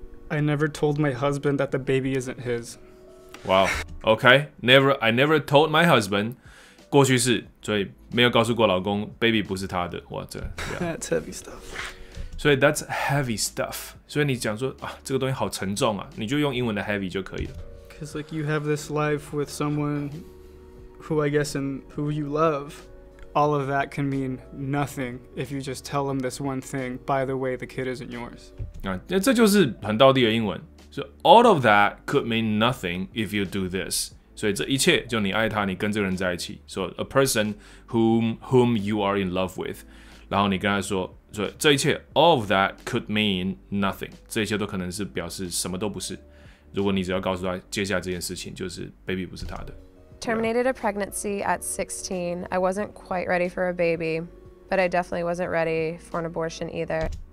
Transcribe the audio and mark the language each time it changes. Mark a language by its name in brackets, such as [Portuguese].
[English] I never told my husband that the baby isn't his. Wow. Okay. I never told my husband. [Chinese] 过去式，所以没有告诉过老公 baby 不是他的。哇，这 [English] That's heavy stuff. [Chinese] 所以 [English] that's heavy stuff. [Chinese] 所以你讲说啊，这个东西好沉重啊，你就用英文的 heavy 就可以了。 [English] Because like you have this life with someone who I guess and who you love, all of that can mean nothing if you just tell them this one thing. By the way, the kid isn't yours. [Chinese] 那这就是很道地的英文，所以 [English] all of that could mean nothing if you do this。 [Chinese] 所以这一切就你爱他，你跟这个人在一起，说、so、 [English] a person whom you are in love with， [Chinese] 然后你跟他说，所以这一切 [English] all of that could mean nothing， [Chinese] 这一切都可能是表示什么都不是。如果你只要告诉他接下来这件事情就是 baby 不是他的。 [English] Terminated a pregnancy at 16. I wasn't quite ready for a baby. But I definitely wasn't ready for an abortion either.